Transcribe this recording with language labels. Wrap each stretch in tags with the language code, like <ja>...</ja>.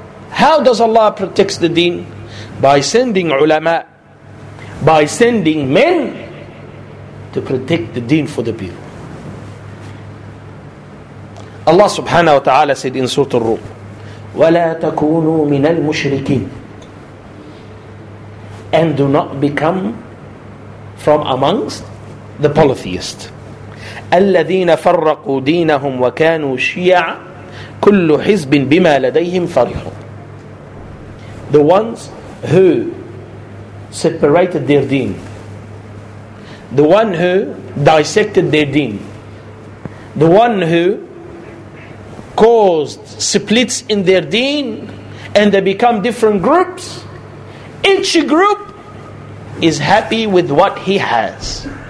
<en>How does Allah protect the deen? By sending ulama, by sending men to protect the deen for the people. Allah subhanahu wa ta'ala said in Surah Al-Rum,</en> <ar>وَلَا تَكُونُوا مِنَ الْمُشْرِكِينَ,</ar> <en>and do not become from amongst the polytheist.</en> <ar>الذين فرقوا دينهم وكانوا شيعا كل حزب بما لديهم فرحون.</ar> <en>The ones who separated their deen, the one who dissected their deen, the one who caused splits in their deen, and they become different groups, each group is happy with what he has.</en>